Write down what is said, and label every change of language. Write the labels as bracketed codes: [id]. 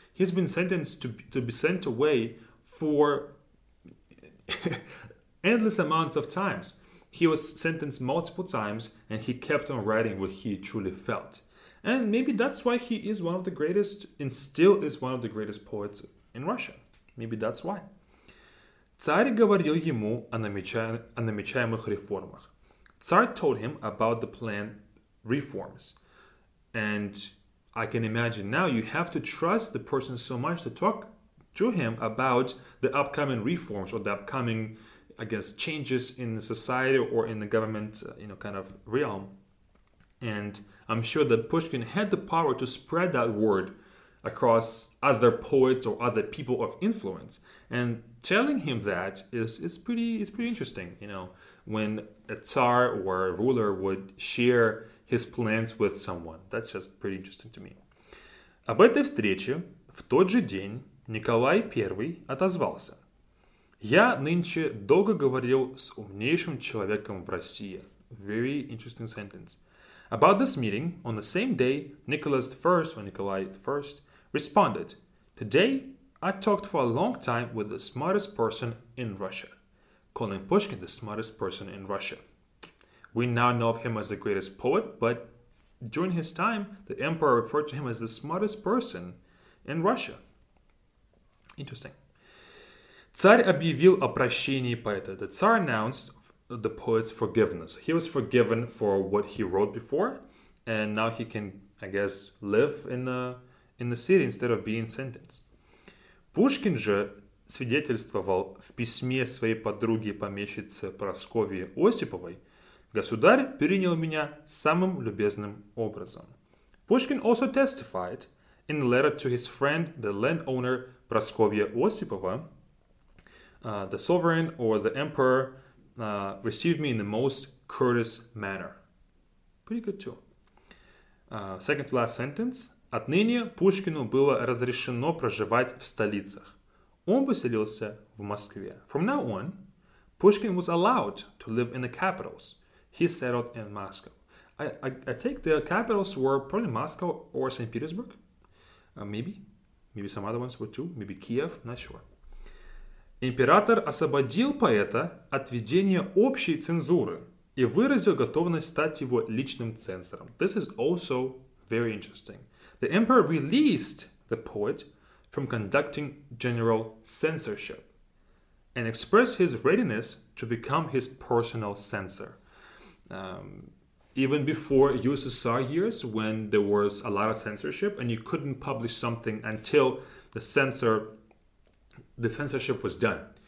[en] He's been sentenced to be sent away for endless amounts of times. He was sentenced multiple times and he kept on writing what he truly felt. And maybe that's why he is one of the greatest, and still is one of the greatest poets in Russia. Maybe that's why. [ru] Царь говорил ему о намечаемых реформах. [en] Tsar told him about the planned reforms. And I can imagine now, you have to trust the person so much to talk to him about the upcoming reforms or the upcoming, I guess, changes in the society or in the government, you know, kind of realm. And I'm sure that Pushkin had the power to spread that word across other poets or other people of influence. And telling him that is pretty interesting, you know, when a tsar or a ruler would share his plans with someone. That's just pretty interesting to me. [ru] Об этой встрече в тот же день Николай I отозвался. Я нынче долго говорил с умнейшим человеком в России. [en] Very interesting sentence. About this meeting, on the same day, Николай I responded, today I talked for a long time with the smartest person in Russia. Calling Pushkin the smartest person in Russia. We now know of him as the greatest poet, but during his time, the emperor referred to him as the smartest person in Russia. Interesting. [ru] Царь объявил о прощении поэта. [en] The Tsar announced the poet's forgiveness. He was forgiven for what he wrote before, and now he can, I guess, live in the city instead of being sentenced. [ru] Пушкин же свидетельствовал в письме своей подруге-помещице Прасковье Осиповой, «Государь принял меня самым любезным образом». [en] Пушкин also testified in a letter to his friend, the landowner Прасковья Осипова, «The sovereign or the emperor received me in the most courteous manner». Pretty good too. Second to last sentence. [ru] «Отныне Пушкину было разрешено проживать в столицах». Он поселился в Москве. [en] From now on, Pushkin was allowed to live in the capitals. He settled in Moscow. I take the capitals were probably Moscow or St. Petersburg. Maybe some other ones were too. Maybe Kiev, not sure. [ru] Император освободил поэта от ведения общей цензуры и выразил готовность стать его личным цензором. [en] This is also very interesting. The emperor released the poet from conducting general censorship and expressed his readiness to become his personal censor. Even before USSR years, when there was a lot of censorship and you couldn't publish something until the censorship was done.